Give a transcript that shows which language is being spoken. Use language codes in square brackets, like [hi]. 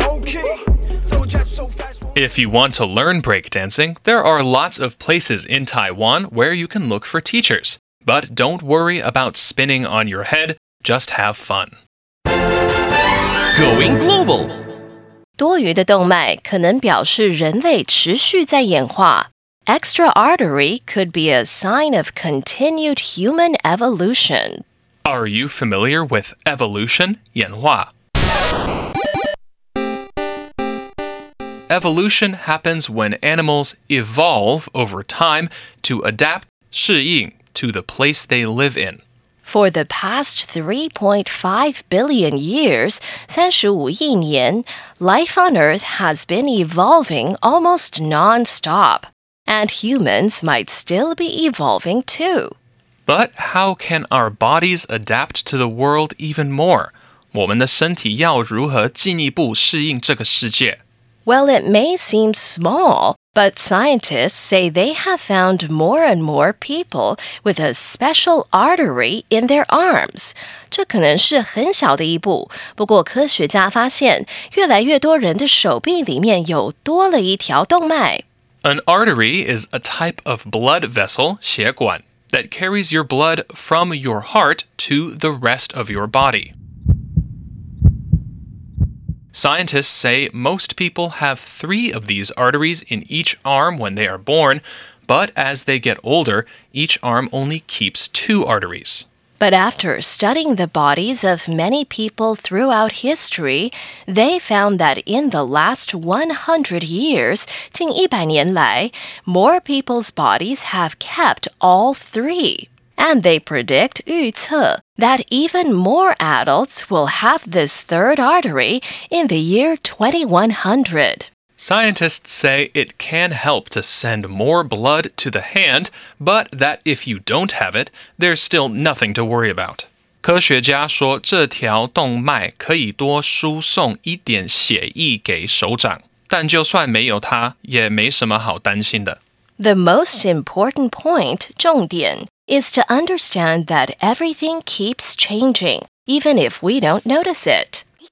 [en] If you want to learn breakdancing, there are lots of places in Taiwan where you can look for teachers. But don't worry about spinning on your head, just have fun. Going global! [zh] 多余的动脉可能表示人类持续在演化。 [en] Extra artery could be a sign of continued human evolution. Are you familiar with evolution? 演化? Evolution happens when animals evolve over time to adapt, 适应. To the place they live in. For the past 3.5 billion years, [zh] 35亿年, [en] life on Earth has been evolving almost nonstop, and humans might still be evolving too. But how can our bodies adapt to the world even more? [zh] 我们的身体要如何进一步适应这个世界? [en] Well, it may seem small,But scientists say they have found more and more people with a special artery in their arms. [zh] 这可能是很小的一步。不过科学家发现越来越多人的手臂里面有多了一条动脉。 [en] An artery is a type of blood vessel, 血管, that carries your blood from your heart to the rest of your body. Scientists say most people have three of these arteries in each arm when they are born, but as they get older, each arm only keeps two arteries. But after studying the bodies of many people throughout history, they found that in the last 100 years, [zh] 近一百年来, [en] more people's bodies have kept all three. And they predict, 预测, that even more adults will have this third artery in the year 2100. Scientists say it can help to send more blood to the hand, but that if you don't have it, there's still nothing to worry about. [zh] 科学家说这条动脉可以多输送一点血液给手掌,但就算没有它,也没什么好担心的。 [en] The most important point, 重点,is to understand that everything keeps changing, even if we don't notice it.